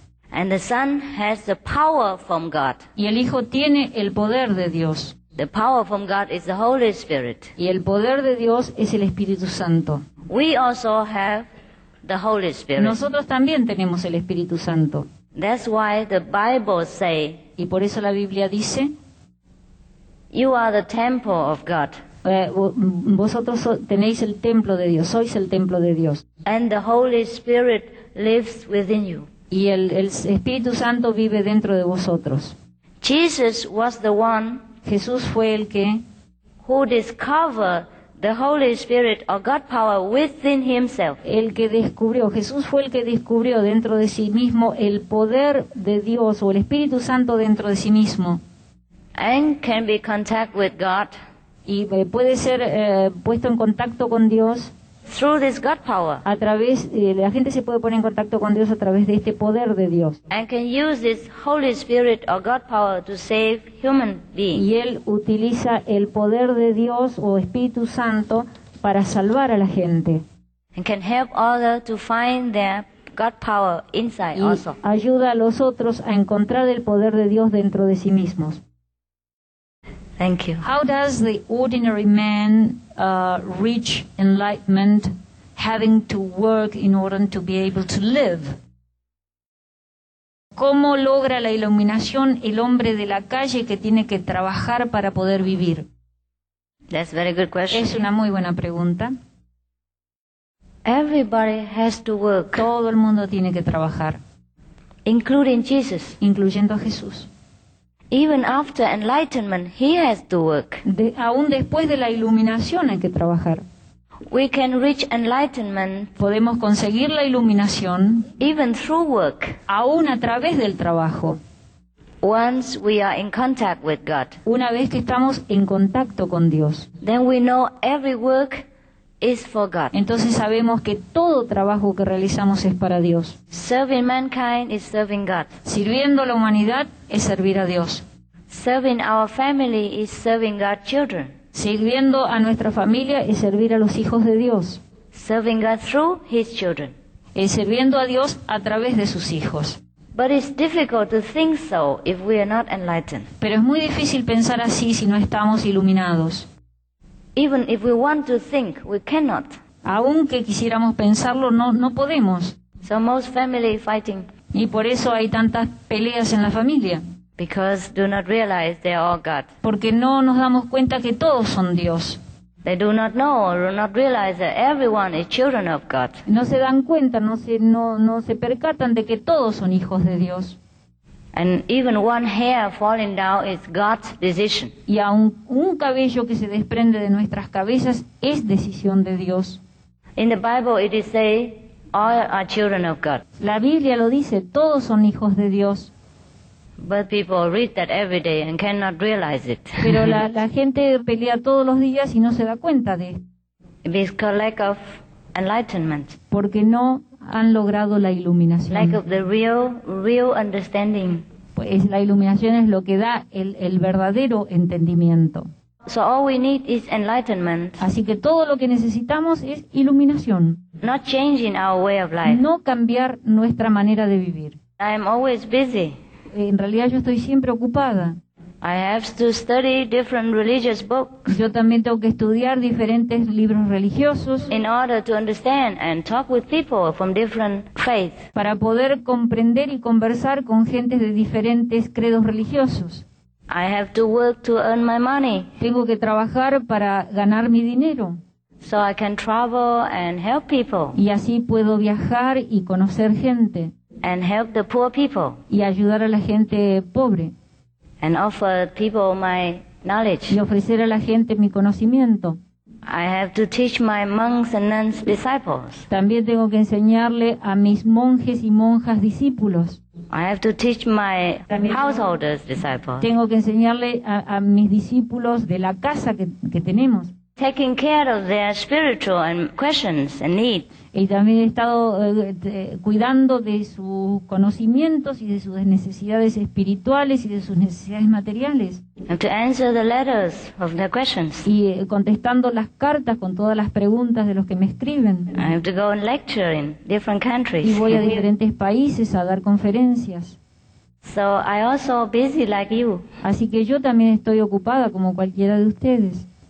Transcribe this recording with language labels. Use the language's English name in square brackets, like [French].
[English] And the Son has the power from God. [Spanish] Y el Hijo tiene el poder de Dios. [English] The power from God is the Holy Spirit. [Spanish] Y el poder de Dios es el Espíritu Santo. [English] We also have the Holy Spirit. [Spanish] Nosotros también tenemos el Espíritu Santo. [English] That's why the Bible say, [Spanish] y por eso la Biblia dice, [English] you are the temple of God. [Spanish] Vosotros tenéis el templo de Dios, sois el templo de Dios. [English] And the Holy Spirit lives within you. [Spanish] Y el Espíritu Santo vive dentro de vosotros. [English] Jesus was the one, [Spanish] Jesús fue el que, [English] who discovered the Holy Spirit or God power within himself. [Spanish] El que descubrió, Jesús fue el que descubrió dentro de sí mismo el poder de Dios o el Espíritu Santo dentro de sí mismo. [English] And can be contact with God. [Spanish] Y puede ser puesto en contacto con Dios. [English] Through this God power. [Spanish] A través, la gente se puede poner en contacto con Dios a través de este poder de Dios. [English] And can use this Holy Spirit or God power to save human beings. [Spanish] Y él utiliza el poder de Dios o Espíritu Santo para salvar a la gente. [English] And can help others to find their God power inside [Spanish] y [English] also. [Spanish] Ayuda a los otros a encontrar el poder de Dios dentro de sí mismos. [English] Thank you. How does the ordinary man reach enlightenment, having to work in order to be able to live? [Spanish] ¿Cómo logra la iluminación el hombre de la calle que tiene que trabajar para poder vivir? [English] That's a very good question. [Spanish] Es una muy buena pregunta. [English] Everybody has to work. [Spanish] Todo el mundo tiene que trabajar. [English] Including Jesus. [Spanish] Incluyendo a Jesús. [English] Even after enlightenment, he has to work. [Spanish] Aún después de la iluminación hay que trabajar. [English] We can reach enlightenment. [Spanish] Podemos conseguir la iluminación. [English] Even through work. [Spanish] Aún a través del trabajo. [English] Once we are in contact with God, [Spanish] una vez que estamos en contacto con Dios, [English] then we know every work is for God. [Spanish] Entonces sabemos que todo trabajo que realizamos es para Dios. [English] Serving mankind is serving God. [Spanish] Sirviendo a la humanidad es servir a Dios. [English] Serving our family is serving God's children. [Spanish] Sirviendo a nuestra familia es servir a los hijos de Dios. [English] Serving God through his children. [Spanish] Es sirviendo a Dios a través de sus hijos. [English] But it's difficult to think so if we are not enlightened. [Spanish] Pero es muy difícil pensar así si no estamos iluminados. [English] Even if we want to think, we cannot. [Spanish] Aunque quisiéramos pensarlo, no podemos. [English] So most family fighting. [Spanish] Y por eso hay tantas peleas en la familia. [English] Because do not realize they are God. [Spanish] Porque no nos damos cuenta que todos son Dios. [English] They do not know or do not realize that everyone is children of God. [Spanish] No se dan cuenta, no se percatan de que todos son hijos de Dios. [English] And even one hair falling down is God's decision. [Spanish] Y aun un cabello que se desprende de nuestras cabezas es decisión de Dios. [English] In the Bible it is said, all are children of God. [Spanish] La Biblia lo dice, todos son hijos de Dios. [English] But people read that every day and cannot realize it. [Spanish] Pero la gente pelea todos los días y no se da cuenta de. [English] Because lack of enlightenment. [Spanish] Porque no han logrado la iluminación. [English] Lack of the real understanding. [Spanish] Pues la iluminación es lo que da el verdadero entendimiento. [English] So all we need is enlightenment. [Spanish] Así que todo lo que necesitamos es iluminación. [English] Not changing our way of life. [Spanish] No cambiar nuestra manera de vivir. [English] I am always busy. [Spanish] En realidad yo estoy siempre ocupada. [English] I have to study different religious books. [Spanish] Yo también tengo que estudiar diferentes libros religiosos. [English] In order to understand and talk with people from different faiths. [Spanish] Para poder comprender y conversar con gentes de diferentes credos religiosos. [English] I have to work to earn my money. [Spanish] Tengo que trabajar para ganar mi dinero. [English] So I can travel and help people. [Spanish] Y así puedo viajar y conocer gente. [English] And help the poor people. [Spanish] Y ayudar a la gente pobre. [English] And offer people my knowledge. [Spanish] Y ofrecer a la gente mi conocimiento. [English] I have to teach my monks and nuns disciples. [Spanish] También tengo que enseñarle a mis monjes y monjas discípulos. [English] I have to teach my householders disciples. [Spanish] Tengo que enseñarle a mis discípulos de la casa que tenemos. [English] Taking care of their spiritual and questions and needs. [Spanish] Y también he estado cuidando de sus conocimientos y de sus necesidades espirituales y de sus necesidades materiales. [English] And to answer the letters of their questions. [Spanish] Y contestando las cartas con todas las preguntas de los que me escriben. [English] I have to go and lecture in different countries. [Spanish] Y voy a diferentes países a dar conferencias. [English] So I also busy like you. [Spanish] Así que yo también estoy ocupada como cualquiera de ustedes.